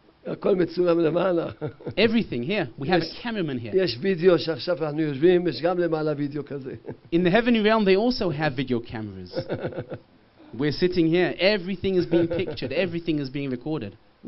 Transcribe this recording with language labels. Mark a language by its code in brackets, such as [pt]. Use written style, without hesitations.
[he] הכל מצולם למעלה. [en] Everything here, we have a cameraman here. [he] יש וידאו שעכשיו אנחנו יושבים, יש גם למעלה וידאו כזה. [en] In the heavenly realm they also have video cameras. We're sitting here, everything is being pictured, everything is being recorded.